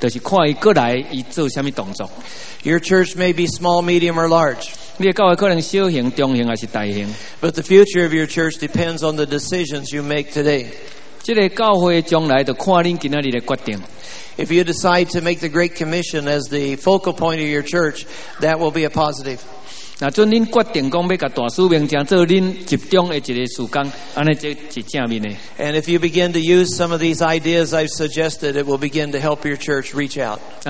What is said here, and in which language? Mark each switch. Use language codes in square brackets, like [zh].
[nan] 所有的教会不管大小，就是看伊过来，伊做什么动作。 [en] Your church may be small, medium, or large. [nan] 你的教会可能小型、中型还是大型。 [en] But the future of your church depends on the decisions you make today. [nan] 这个教会将来就看恁今仔日的决定。 [en] If you decide to make the Great Commission as the focal point of your church, that will be a positive. [nan] 那准您决定讲要甲大使命将做恁集中的一个事工，安尼这是正面的。 [en] And if you begin to use some of these ideas I've suggested, it will begin to help your church reach out.